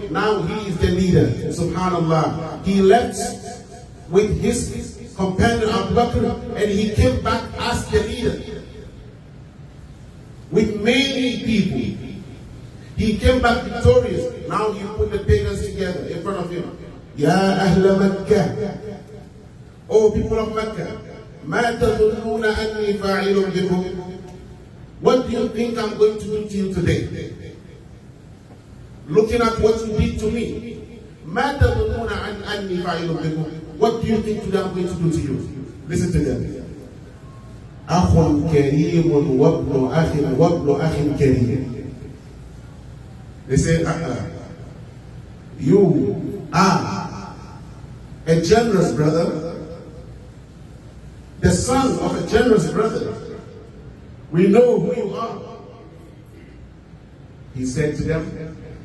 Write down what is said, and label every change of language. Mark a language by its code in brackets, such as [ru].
[en] Now he is the leader, subhanallah. He left with his companion Abu Bakr and he came back as the leader with many people. He came back victorious. Now he put the pagans together in front of him. [ar] Ya Ahla Mecca, [en] oh people of Mecca, [ar] مَا تَظُنُّونَ أَنِّي فَاعِلٌ بِكُمْ. [en] What do you think I'm going to do to you today? Looking at what you did to me. [ar] مَا تَظُنُّونَ أَنِّي فَاعِلٌ بِكُمْ. [en] What do you think today I'm going to do to you? Listen to them. [ar] أَخٌ كَرِيمٌ وَابْنُ أَخٍ وَابْنُ أَخٍ كَرِيمٌ. [en] They say, you are a generous brother, the son of a generous brother. We know who you are. He said to them,